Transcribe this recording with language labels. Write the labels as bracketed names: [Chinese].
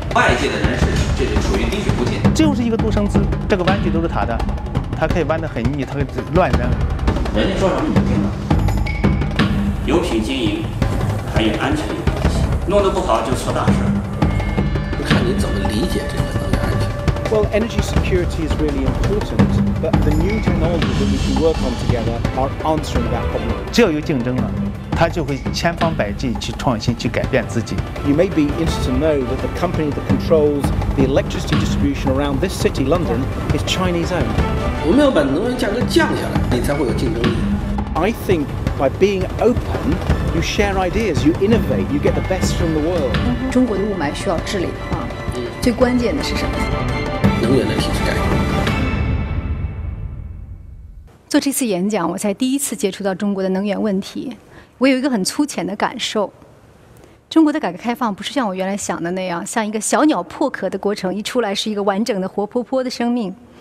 [Chinese] 外界的人是这是属于滴水不进，这就是一个独生子，这个玩具都是他的，他可以玩得很腻，他可以乱扔。人家说什么你不听了，油品经营还有安全有关系，弄得不好就出大事。我看你怎么理解这个能源安全。 [English] Well, energy security is really important, but the new technologies that we can work on together are answering that problem. [Chinese] 只要有竞争了，他就会千方百计去创新，去改变自己。 [English] You may be interested to know that the company that controls the electricity distribution around this city, London, is Chinese-owned. [Chinese] 我们要把能源价格降下来，你才会有竞争力。 [English] I think by being open, you share ideas, you innovate, you get the best from the world. [Chinese] 中国的雾霾需要治理的话，最关键的是什么？能源的体制改革。做这次演讲，我才第一次接触到中国的能源问题。我有一个很粗浅的感受，中国的改革开放不是像我原来想的那样，像一个小鸟破壳的过程，一出来是一个完整的活泼泼的生命。